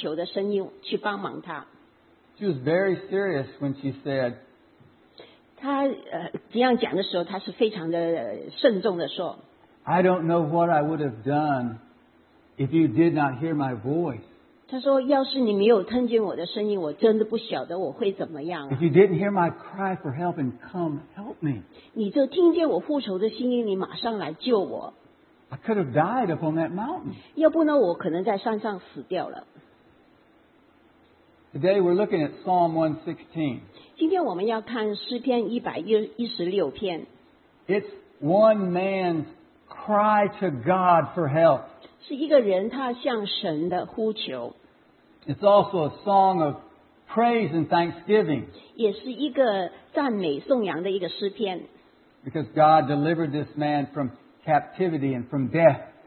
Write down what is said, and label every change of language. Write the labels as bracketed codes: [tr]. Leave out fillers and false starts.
[zh] 她特别感谢我，因为我听见她呼求的声音，去帮忙她。 [en] She was very serious when she said, [zh] 她这样讲的时候，她是非常的慎重的说, [en] I don't know what I would have done if you did not hear my voice. [zh] 她说，要是你没有听见我的声音，我真的不晓得我会怎么样。 [en] If you didn't hear my cry for help and come help me, [zh] 你就听见我呼求的声音，你马上来救我。 [en] I could have died up on that mountain. [zh] 要不呢，我可能在山上死掉了。 [en] Today we're looking at Psalm 116. [zh] 今天我们要看诗篇116篇。 [en] It's one man's cry to God for help. [zh] 是一个人他向神的呼求。 [en] It's also a song of praise and thanksgiving. [zh] 也是一个赞美颂扬的一个诗篇。 [en] Because God delivered this man from captivity and from death.